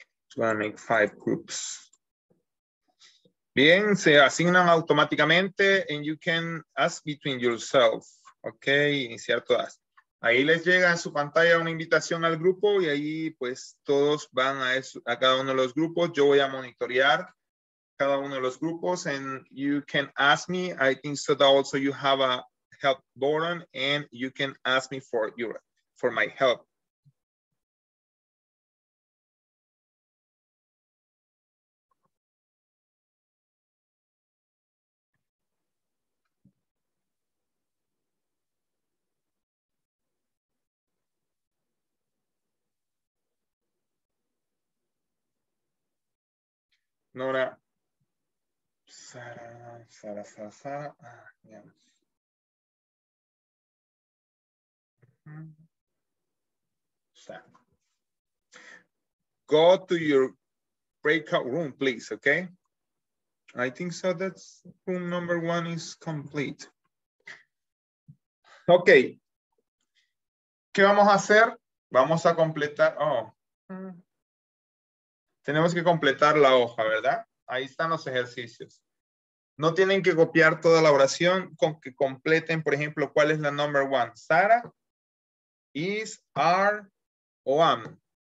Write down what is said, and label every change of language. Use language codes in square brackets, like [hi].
[en] So I make 5 groups. [es] Bien, se asignan automáticamente [en] and you can ask between yourself. [es] Ok, iniciar todas. Ahí les llega en su pantalla una invitación al grupo y ahí pues todos van a cada uno de los grupos. Yo voy a monitorear cada uno de los grupos [en] and you can ask me. I think so that also you have a help button and you can ask me for my help. [es] Nora, Sara. Ah, ya. Sara. [en] Go to your breakout room, please, okay? I think so that's room number one is complete. [es] Okay. ¿Qué vamos a hacer? Vamos a completar, tenemos que completar la hoja, ¿verdad? Ahí están los ejercicios. No tienen que copiar toda la oración, con que completen, por ejemplo, ¿cuál es la number one? Sara, is, are, o am.